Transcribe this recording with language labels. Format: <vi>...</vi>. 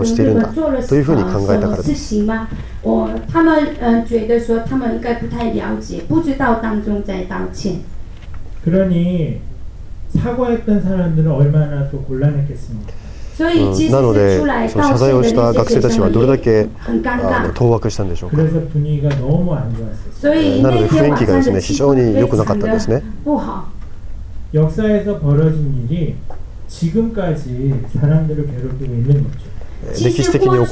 <zh>他们觉得说他们应该不太了解，不知道当中在道歉。</zh> <ko>그러니 사과했던 사람들은 얼마나 또 곤란했겠습니까？</ko> <zh>所以其实出来道歉的那些学生也很尴尬。</zh> <ko>그래서 분위기가 너무 안 좋았어요。</ko> <zh>所以那天晚上的气氛非常不好。</zh> <ko>역사에서 벌어진 일이 지금까지 사람들을 괴롭히고 있는 거죠。</ko>